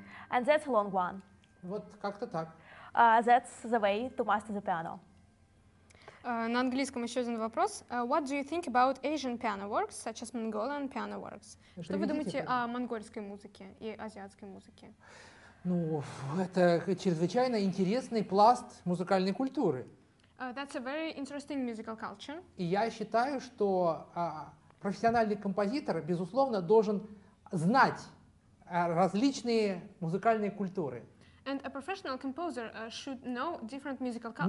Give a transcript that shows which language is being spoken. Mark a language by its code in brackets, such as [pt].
[en] And that's a long one. [ru] Вот как-то так. [en] That's the way to master the piano. [ru] На английском еще один вопрос. [en] What do you think about Asian piano works, such as Mongolian piano works? [ru] Приведите, что вы думаете пожалуйста. О монгольской музыке и азиатской музыке? Ну, это чрезвычайно интересный пласт музыкальной культуры. [en] That's a very interesting musical culture. [ru] И я считаю, что профессиональный композитор, безусловно, должен знать различные музыкальные культуры. [en] And a professional composer should know different musical cultures.